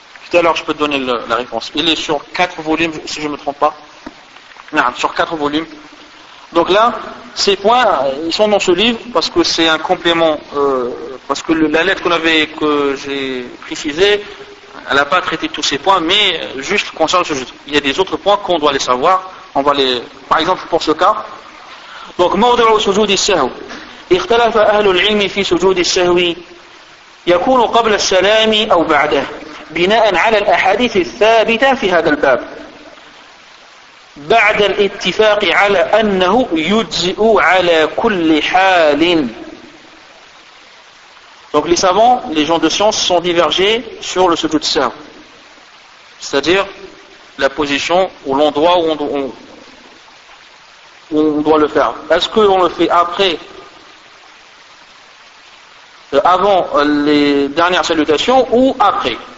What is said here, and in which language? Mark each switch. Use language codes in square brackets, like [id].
[fr] Tout à l'heure je peux te donner la référence. Il est sur 4 volumes si je ne me trompe pas. Non, sur 4 volumes. Donc là, ces points ils sont dans ce livre parce que c'est un complément parce que la lettre que j'ai précisée, elle n'a pas traité tous ces points, mais juste concernant ce juste. Il y a des autres points qu'on doit les savoir. On va les. Par exemple, pour ce cas. [ar] Donc, موضع سجود السهو. اختلف أهل العلم في سجود السهو يكون قبل السلام أو بعده بناء على الأحاديث الثابتة في هذا الباب. بعد الاتفاق على أنه يجزئ على كل حال. [fr] Donc, les savants, les gens de science sont divergés sur le سجود السهو. C'est-à-dire la position ou l'endroit où on doit le faire. Est-ce qu'on le fait après, avant les dernières salutations ou après?